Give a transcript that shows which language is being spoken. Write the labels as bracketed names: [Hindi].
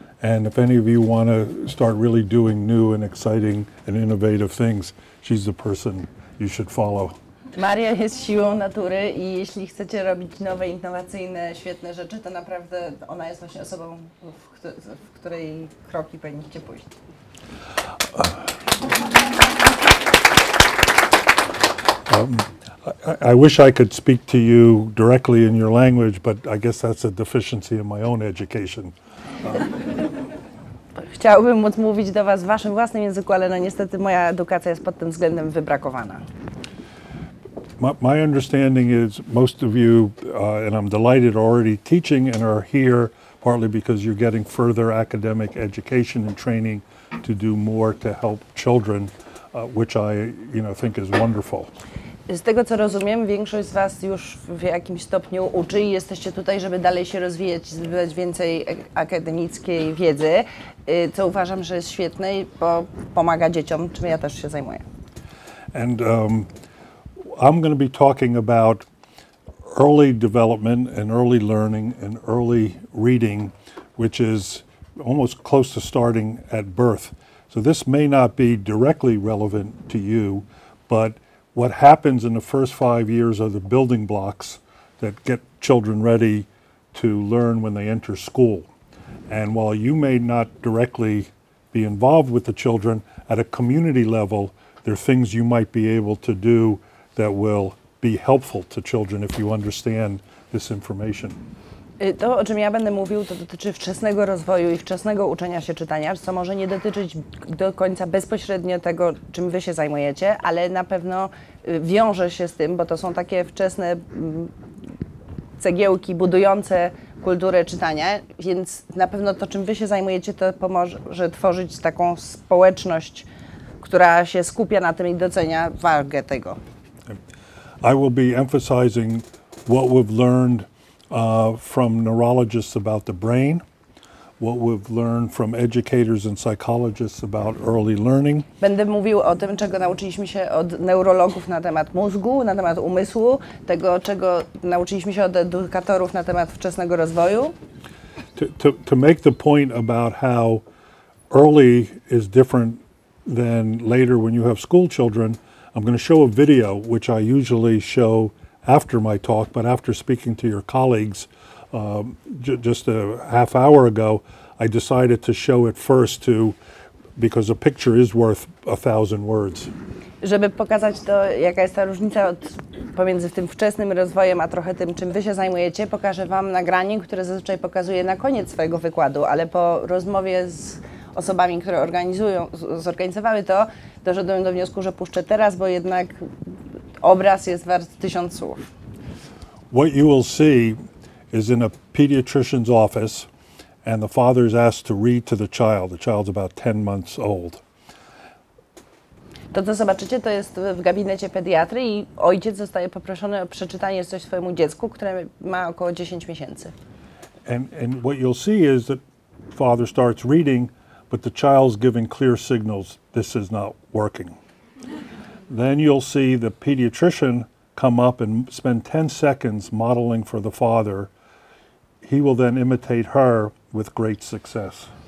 [English] And if any of you want to start really doing new and exciting and innovative things, she's the person you should follow. [Polish] Maria jest siłą natury i jeśli chcecie robić nowe, innowacyjne, świetne rzeczy, to naprawdę ona jest właśnie osobą, w której kroki powinniście pójść. [English] I wish I could speak to you directly in your language, but I guess that's a deficiency in my own education. [Polish] Chciałbym móc mówić do was w waszym własnym języku, ale no niestety moja edukacja jest pod tym względem wybrakowana. [English] My understanding is most of you, and I'm delighted, are already teaching and are here partly because you're getting further academic education and training to do more to help children, which I, you know, think is wonderful. [Polish] Z tego co rozumiem, większość z was już w jakimś stopniu uczy i jesteście tutaj, żeby dalej się rozwijać, zdobywać więcej akademickiej wiedzy, co uważam, że jest świetne, bo pomaga dzieciom, czym ja też się zajmuję. [English] And I'm going to be talking about early development and early learning and early reading, which is almost close to starting at birth. So this may not be directly relevant to you, but what happens in the first 5 years are the building blocks that get children ready to learn when they enter school. And while you may not directly be involved with the children, at a community level, there are things you might be able to do that will be helpful to children if you understand this information. [Polish] To, o czym ja będę mówił, to dotyczy wczesnego rozwoju i wczesnego uczenia się czytania, co może nie dotyczyć do końca bezpośrednio tego, czym wy się zajmujecie, ale na pewno wiąże się z tym, bo to są takie wczesne cegiełki budujące kulturę czytania, więc na pewno to, czym wy się zajmujecie, to pomoże tworzyć taką społeczność, która się skupia na tym i docenia wagę tego. [English] I will be emphasizing what we've learned from neurologists about the brain, what we've learned from educators and psychologists about early learning. [Polish] Będę mówił o tym, czego nauczyliśmy się od neurologów na temat mózgu, na temat umysłu, tego, czego nauczyliśmy się od edukatorów na temat wczesnego rozwoju. [English] To make the point about how early is different than later when you have school children, I'm going to show a video, which I usually show after my talk, but after speaking to your colleagues just a half hour ago, I decided to show it first to, because a picture is worth a thousand words. [Polish] Żeby pokazać to, jaka jest ta różnica pomiędzy tym wczesnym rozwojem, a trochę tym, czym wy się zajmujecie, pokażę wam nagranie, które zazwyczaj pokazuję na koniec swojego wykładu, ale po rozmowie z osobami, które zorganizowały to, doszedłem do wniosku, że puszczę teraz, bo jednak obraz jest wart 1000 słów. [English] What you will see is in a pediatrician's office and the father is asked to read to the child. The child's about 10 months old. [Polish] To, co zobaczycie, to jest w gabinecie pediatry i ojciec zostaje poproszony o przeczytanie coś swojemu dziecku, które ma około 10 miesięcy. [English] And what you'll see is that father starts reading, but the child's giving clear signals this is not working. Then you'll see the pediatrician come up and spend 10 seconds modeling for the father. He will then imitate her with great success.